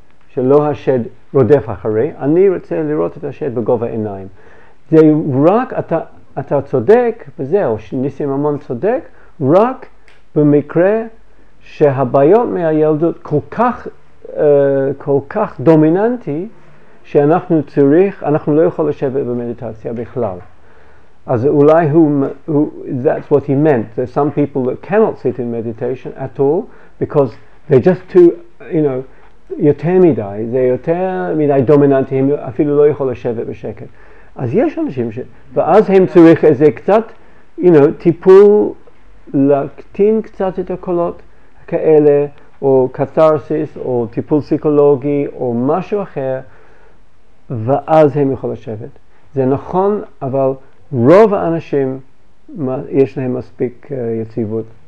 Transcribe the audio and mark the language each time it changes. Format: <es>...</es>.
<he>שלא השד רודף אחרי, אני רוצה לראות את השד בגובה עיניים. זה רק, אתה צודק, וזהו, ניסים המון צודק, רק במקרה שהבעיות מהילדות כל כך כל כך דומיננטי שאנחנו צריך, אנחנו לא יכול לשבת במדיטציה בכלל. אז אולי הוא,</he> <en>that's what he meant. There's some people that cannot sit in meditation at all because they're just too, you know,</en> <he>יותר מדי, זה יותר מדי דומיננטי, הם אפילו לא יכול לשבת בשקט. אז יש אנשים ש... ואז הם צריך איזה קצת,</he> <en>you know,</en> <he>טיפול להקטין קצת את הקולות כאלה, או קתרסיס, או טיפול פסיכולוגי, או משהו אחר, ואז הם יכול לשבת. זה נכון, אבל רוב האנשים יש להם מספיק יציבות.</he>